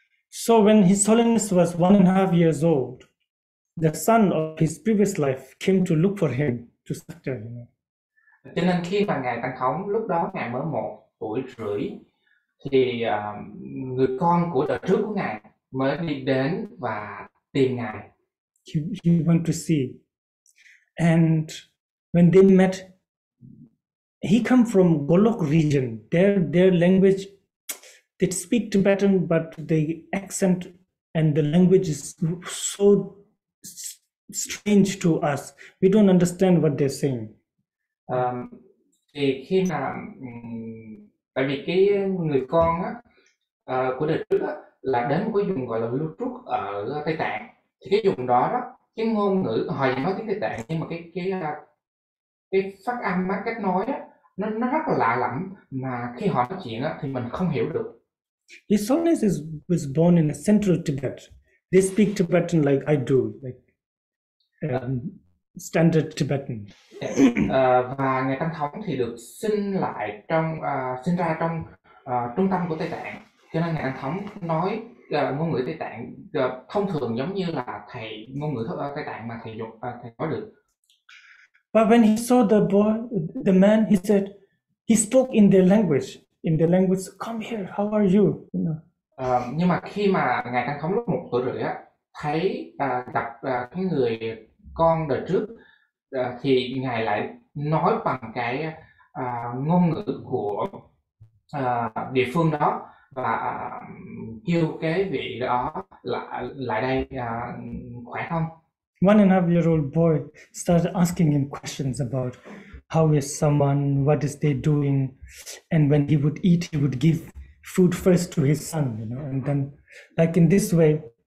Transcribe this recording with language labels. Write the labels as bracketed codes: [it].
[en] So when His Holiness was 1.5 years old, the son of his previous life came to look for him to succor him. [vi] Cho nên khi mà ngài tăng khống, lúc đó ngài mới 1 tuổi rưỡi, thì người con của đời trước của ngài mới đi đến và tìm ngài. [en] He went to see, and when they met, he come from Golok region. Their language, they speak Tibetan, but the accent and the language is so strange to us. We don't understand what they're saying. [vi] Thì khi mà tại vì cái người con á, của đời trước á, là đến cái vùng gọi là lưu trúc ở Tây Tạng, thì cái vùng đó đó, cái ngôn ngữ họ nói tiếng Tây Tạng, nhưng mà cái phát âm á, cách nói á, nó rất là lạ lẫm, mà khi họ nói chuyện á, thì mình không hiểu được. [en] His Holiness was born in the central Tibet. They speak Tibetan like I do, like standard Tibetan. [vi] Và ngài tăng thống thì được sinh lại trong sinh ra trong trung tâm của Tây Tạng, cho nên ngài tăng thống nói ngôn ngữ Tây Tạng thông thường, giống như là thầy ngôn ngữ Tây Tạng mà thầy dục thầy nói được. [en] But when he saw the boy, the man, he said, he spoke in their language. In their language, come here, how are you? You know. [vi] Nhưng mà khi mà ngài đang sống lúc một tuổi rưỡi á, thấy gặp cái người con đời trước thì ngài lại nói bằng cái ngôn ngữ của địa phương đó và kêu cái vị đó lại đây khỏe không? [en] One and a half year old boy started asking him questions about how is someone, what is they doing, and when he would eat, he would give food first to his son, you know, and then like in this way.